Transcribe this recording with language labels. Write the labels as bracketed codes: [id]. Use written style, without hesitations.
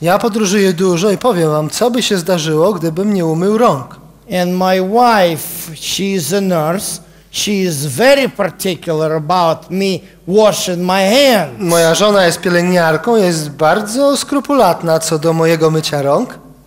[pl] Ja podróżuję dużo i powiem wam, co by się zdarzyło, gdybym nie umył rąk. [en] And my wife, she is a nurse. She is very particular about me washing my hands. [pl] Moja żona jest pielęgniarką, jest bardzo skrupulatna co do mojego mycia rąk.